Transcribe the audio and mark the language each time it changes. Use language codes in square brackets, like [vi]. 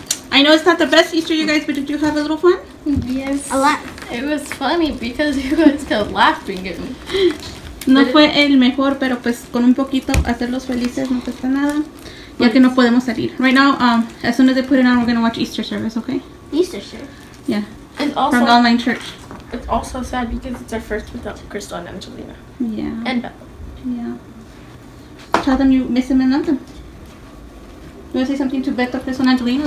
[en] I know it's not the best Easter, you guys, but did you have a little fun? Yes. A lot. It was funny because you guys kept laughing at me. [es] No fue el mejor, pero pues con un poquito hacerlos felices no cuesta nada. Ya que no podemos salir. [en] Right now, as soon as they put it on, we're going to watch Easter service, okay? Easter service? Yeah. And also, from the online church. It's also sad because it's our first without Crystal and Angelina. Yeah. And Bella. Yeah. Tell them you miss them and love them. You want to say something to Beto, Crystal, and Angelina?